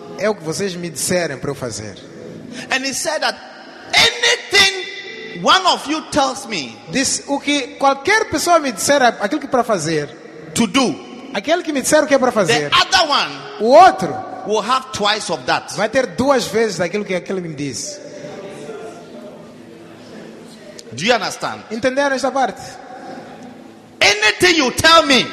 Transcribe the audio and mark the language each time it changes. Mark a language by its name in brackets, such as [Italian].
[Portuguese] É o que vocês me disserem para eu fazer. [English] And he said that anything one of you tells me. This [Portuguese] o que qualquer pessoa me disser aquilo que para fazer. [English] To do. [Portuguese] Aquele que me disser o que é para fazer. [English] The other one. [Portuguese] O outro [English] will have twice of that. [Portuguese] Vai ter duas vezes daquilo que aquele me diz. [English] Do you understand? [Portuguese] Entenderam esta parte? [English] Anything you tell me.